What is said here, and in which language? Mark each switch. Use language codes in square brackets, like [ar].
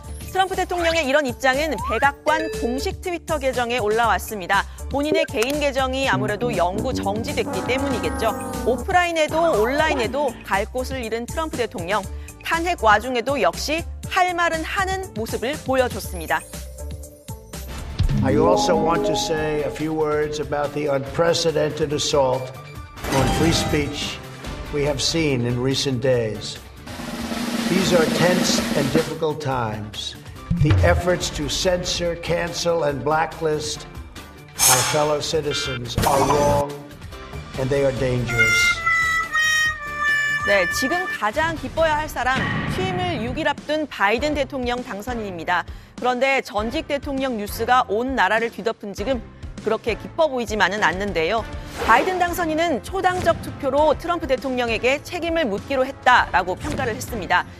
[ko] 트럼프 대통령의 이런 입장은 백악관 공식 트위터 계정에 올라왔습니다. 본인의 개인 계정이 아무래도 영구 정지됐기 때문이겠죠. 오프라인에도 온라인에도 갈 곳을 잃은 트럼프 대통령. 탄핵 와중에도 역시 할 말은 하는 모습을 보여줬습니다. [en] I also want to say a few words about the unprecedented assault on free speech we have seen in recent days. These are tense and difficult times. The efforts to censor, cancel, and blacklist our fellow citizens are wrong, and they are dangerous. [ko] 네, 지금 가장 기뻐야 할 사람, 취임을 6일 앞둔 바이든 대통령 당선인입니다. 그런데 전직 대통령 뉴스가 온 나라를 뒤덮은 지금 그렇게 기뻐 보이지만은 않는데요. 바이든 당선인은 초당적 투표로 트럼프 대통령에게 책임을 묻기로 했다라고 평가를 했습니다.